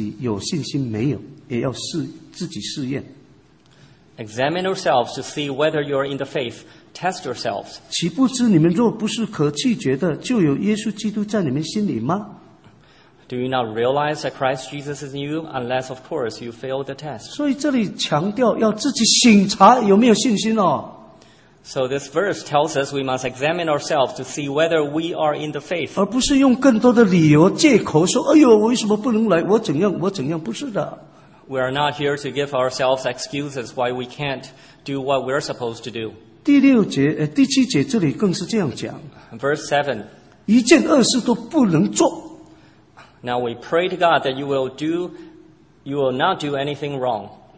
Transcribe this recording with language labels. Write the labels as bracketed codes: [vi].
[zh] 第五节里面总要省察自己有信心没有，也要试自己试验。 [en] Examine yourselves to see whether you are in the faith. Test yourselves. [zh] 岂不知你们若不是可弃绝的，就有耶稣基督在你们心里吗？ [en] Do you not realize that Christ Jesus is in you, unless, of course, you fail the test? [zh] 所以这里强调要自己省察有没有信心哦。 [en] So this verse tells us we must examine ourselves to see whether we are in the faith. [zh] 而不是用更多的理由借口说，哎呦，为什么不能来？我怎样？我怎样？不是的。 [en] We are not here to give ourselves excuses why we can't do what we're supposed to do. [zh] 第七节这里更是这样讲。 [en] Verse 7. [zh] 一件恶事都不能做。 [en] Now we pray to God that you will not do anything wrong.